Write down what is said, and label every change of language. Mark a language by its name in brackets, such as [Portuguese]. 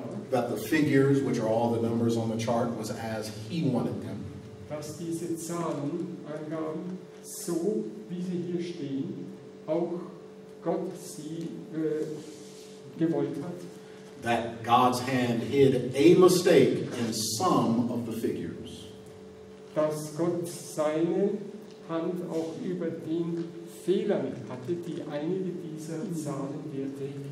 [English] that the figures, which are all the numbers on the chart, was as he wanted them. [German] Dass diese Zahlen, Angaben, so wie sie hier stehen, auch Gott sie gewollt hat. [English] That God's hand hid a mistake in some of the figures. [German] Dass Gott seine Hand auch über den Fehlern hatte, die einige dieser Zahlen werte.